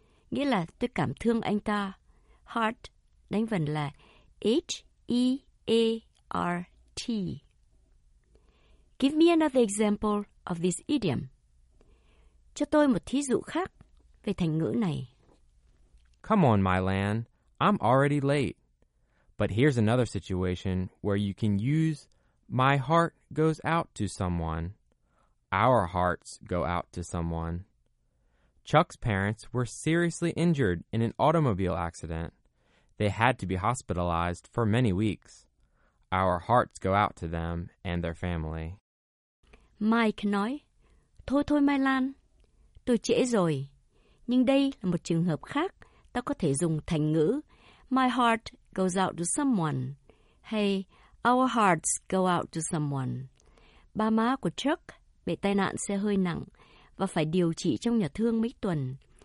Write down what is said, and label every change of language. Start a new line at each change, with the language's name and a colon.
Vietnamese: Nghĩa là tôi cảm thương anh ta. Heart, đánh vần là H-E-A-R-T.
English: Give me another example of this idiom.
Vietnamese: Cho tôi một thí dụ khác về thành ngữ này.
English: Come on, my Lan. I'm already late. But here's another situation where you can use my heart goes out to someone. Our hearts go out to someone. Chuck's parents were seriously injured in an automobile accident. They had to be hospitalized for many weeks. Our hearts go out to them and their family.
Vietnamese: Mike nói, Thôi thôi Mai Lan, tôi trễ rồi. Nhưng đây là một trường hợp khác, ta có thể dùng thành ngữ
English: My heart goes out to someone.
Vietnamese: Hay
English: Our hearts go out to someone.
Vietnamese: Ba má của Chuck bị tai nạn xe hơi nặng và phải điều trị trong nhà thương mấy tuần.